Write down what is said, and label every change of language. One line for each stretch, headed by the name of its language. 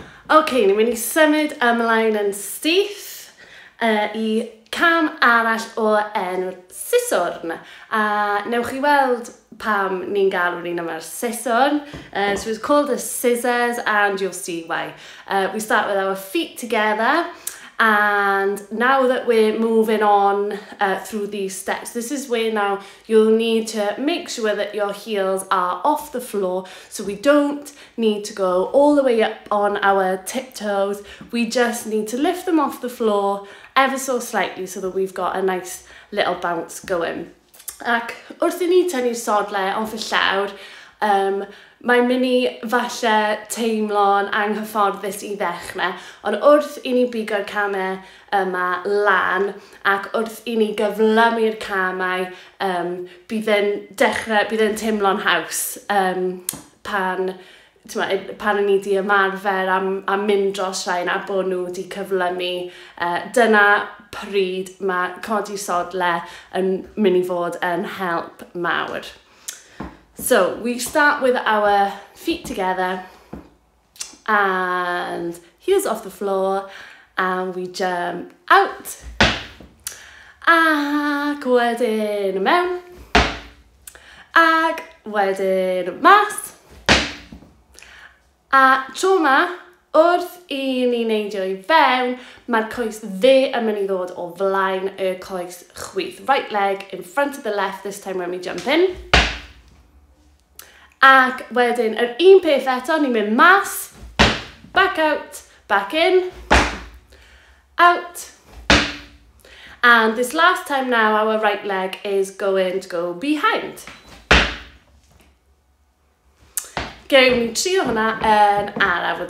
Welsh: OK, ni'n mynd I symud ymlaen yn syth I cam arall o enw'r siswrn. A newch chi weld pam ni'n galw'r un yma'r siswrn.
English: So it's called a scissors and you'll see why. We start with our feet together, and now that we're moving on through these steps, this is where now you'll need to make sure that your heels are off the floor, so we don't need to go all the way up on our tiptoes. We just need to lift them off the floor ever so slightly so that we've got a nice little bounce going.
Welsh: Ac wrth I ni tynnu'r sodle off y llawr, mae'n mynd I falle teimlo'n anghyfforddus I ddechrau, ond wrth I ni bigo'r camau yma lan ac wrth I ni gyflymu'r camau, bydd e'n teimlo'n haws pan pan o'n i wedi ymarfer a mynd dros rhain a bod nhw wedi cyflymu, dyna pryd mae codi sodle yn mynd i fod yn help mawr.
English: So, we start with our feet together and heels off the floor and we jump out.
Welsh: Ac wedyn mewn. Ac wedyn mas. A tro yma, wrth I ni neidio I fewn, mae'r coes dde yn mynd I ddod o flaen y coes chwith.
English: Right leg in front of the left, this time when we jump in.
Welsh: Ac wedyn, yr un peth eto, ni'n mynd mas,
English: back out, back in, out. And this last time now, our right leg is going to go behind.
Welsh: Gewn ni trio hwnna yn araf.